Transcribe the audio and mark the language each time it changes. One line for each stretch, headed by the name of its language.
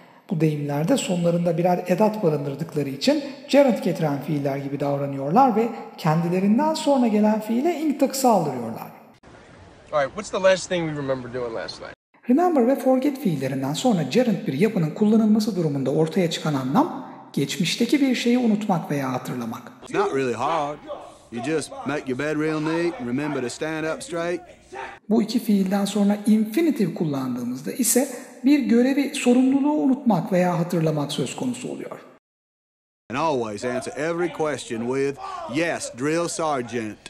Turkish: Bu deyimlerde sonlarında birer edat barındırdıkları için gerund getiren fiiller gibi davranıyorlar ve kendilerinden sonra gelen fiile ink takısı aldırıyorlar.
English: All right, what's the last thing we remember doing last night?
Turkish: Remember ve forget fiillerinden sonra gerund bir yapının kullanılması durumunda ortaya çıkan anlam, geçmişteki bir şeyi unutmak veya hatırlamak.
English: It's not really hard. You just make your bed real neat and remember to stand up straight.
Turkish: Bu iki fiilden sonra infinitive kullandığımızda ise bir görevi, sorumluluğu unutmak veya hatırlamak söz konusu oluyor.
English: And always answer every question with yes, drill sergeant.